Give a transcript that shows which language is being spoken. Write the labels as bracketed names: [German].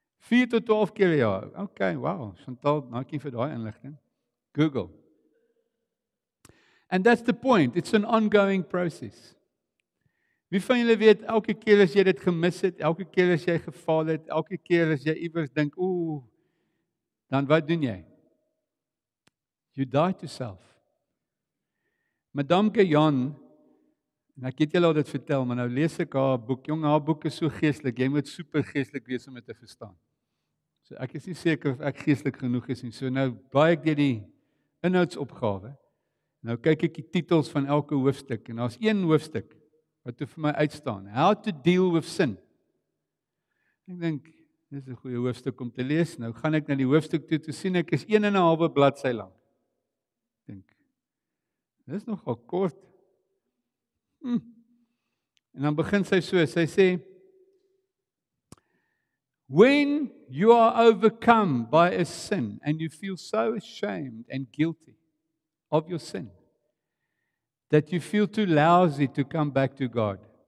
[Afrikaans] 4 tot 12 keer per jaar. Oké, okay, wow. Chantal, dankie vir daai inligting. Google. [English] And that's the point. It's an ongoing process. [Afrikaans] Wie van julle weet, elke keer as jy dit gemis het, elke keer as jy gefaal het, elke keer as jy iewers dink, ooh, dan wat doen jy? [English] You die to self. [Afrikaans] Madame Gayon, en ek het julle al dit vertel, maar nou lees ek haar boek. Jong, haar boek is so geestelik, jy moet super geestelik wees om dit te verstaan. So ek is nie seker of ek geestelik genoeg is nie. So nou baie ek die inhoudsopgave. Nou kyk ek die titels van elke hoofstuk, en daar is een hoofstuk, wat toe vir my uitstaan, [English] how to deal with sin. [Afrikaans] Ek dink, dit is een goeie hoofstuk om te lees, nou gaan ek na die hoofstuk toe, toe sien ek is 1.5 bladsy lang. Ek dink, dit is nogal kort. En dan begin sy so, sy sê, [English] when you are overcome by a sin, and you feel so ashamed and guilty of your sin, that you feel too lousy to come back to God.